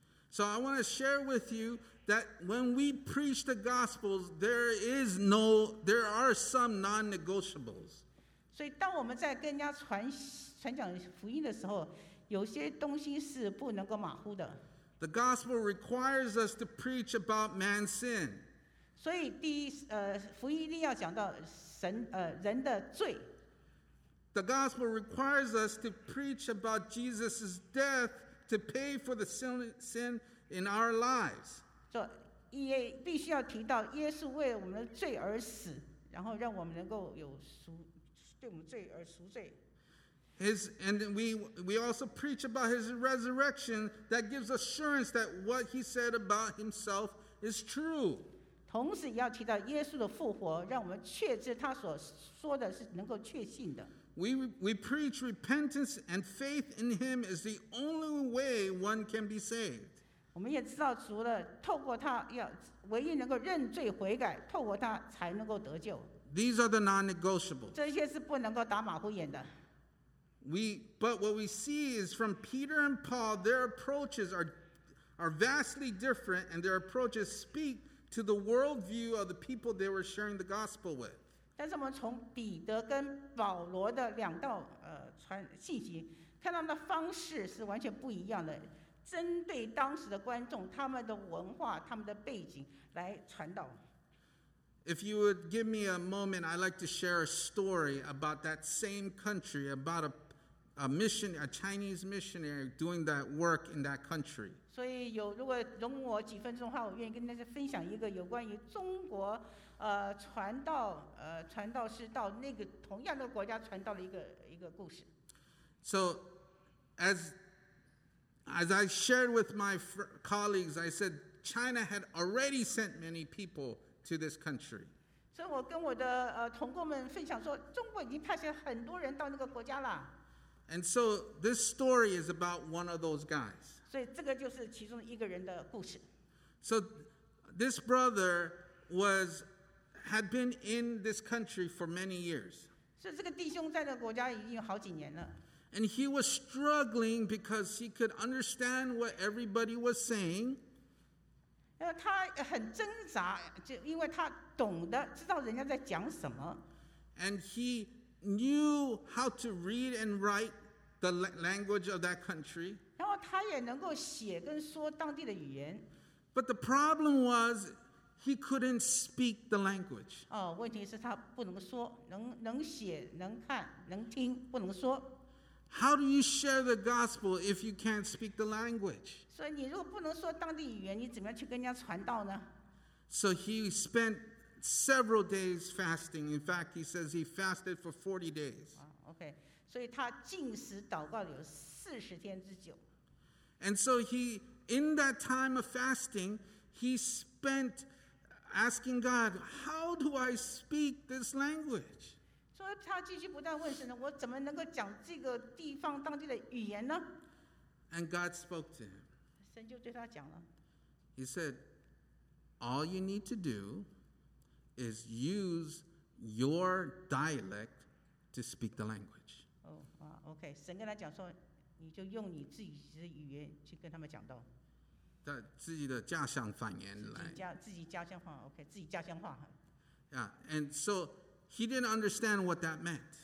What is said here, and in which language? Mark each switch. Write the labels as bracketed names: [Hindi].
[English] So I want to share with you that when we preach the gospels, there are some non-negotiables. [Chinese] 所以当我们在跟人家传讲福音的时候，有些东西是不能够马虎的。 [English] The gospel requires us to preach about man's sin. [Chinese] 所以第一福音一定要讲到神人的罪。 [English] The gospel requires us to preach about Jesus' death to pay for the sin in our lives. [Chinese] 所以也必须要提到耶稣为我们的罪而死，然后让我们能够有赎，对我们罪而赎罪。 [English] And we also preach about his resurrection that gives assurance that what he said about himself is true. [Chinese] 同时也要提到耶稣的复活，让我们确知他所说的是能够确信的。 [English] We preach repentance and faith in him is the only way one can be saved. [Chinese] 我们也知道，除了透过他要唯一能够认罪悔改，透过他才能够得救。 [English] These are the non-negotiables. [Chinese] 这些是不能够打马虎眼的。 [English] But what we see is from Peter and Paul, their approaches are vastly different, and their approaches speak. To the worldview of the people they were sharing the gospel with. [Chinese] 但是我们从彼得跟保罗的两道传信息，看他们的方式是完全不一样的。针对当时的观众，他们的文化、他们的背景来传道。 [English] If you would give me a moment, I'd like to share a story about that same country, about a Chinese missionary doing that work in that country. [Chinese] 所以有如果容我几分钟的话，我愿意跟大家分享一个有关于中国传道是到那个同样的国家传道的一个故事。 [English] So as I shared with my colleagues, I said China had already sent many people to this country. [Chinese] 所以我跟我的同工们分享说，中国已经派遣很多人到那个国家了。 [English] And so this story is about one of those guys. [Chinese] 所以这个就是其中一个人的故事。 [English] So this brother had been in this country for many years. [Chinese] 所以这个弟兄在这个国家已经有好几年了。 [English] And he was struggling because he could understand what everybody was saying. [Chinese] 他很挣扎，就因为他懂得知道人家在讲什么。 [English] And he knew how to read and write. The language of that country. [Chinese] 然后他也能够写跟说当地的语言。 [English] But the problem was he couldn't speak the language. [Chinese] 哦，问题是他不能说，能写，能看，能听，不能说。 [English] How do you share the gospel if you can't speak the language? [Chinese] 所以你如果不能说当地语言，你怎么样去跟人家传道呢？ [English] So he spent several days fasting. In fact, he says he fasted for 40 days. Wow, okay. [Chinese] 所以他禁食祷告有40天之久。 [English] And so he, in that time of fasting, he spent asking God, how do I speak this language? [Chinese] 所以他继续不断问神，我怎么能够讲这个地方当地的语言呢？ [English] And God spoke to him. [Chinese] 神就对他讲了。 [English] He said, all you need to do is use your dialect to speak the language. Oh, wow, okay. [Chinese] 神跟他讲说, 你就用你自己的语言去跟他们讲道。自己的家乡方言来。自己家乡话, okay, 自己家乡话。 [English] Yeah, and so he didn't understand what that meant.